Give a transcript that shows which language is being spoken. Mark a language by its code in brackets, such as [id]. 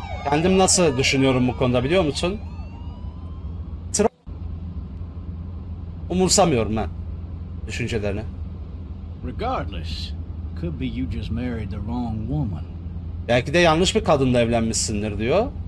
[tr] Kendim nasıl düşünüyorum bu konuda biliyor musun? Umursamıyorum ben düşüncelerini. [en] Regardless, could be you just married the wrong woman. [tr] Belki de yanlış bir kadınla evlenmişsindir diyor.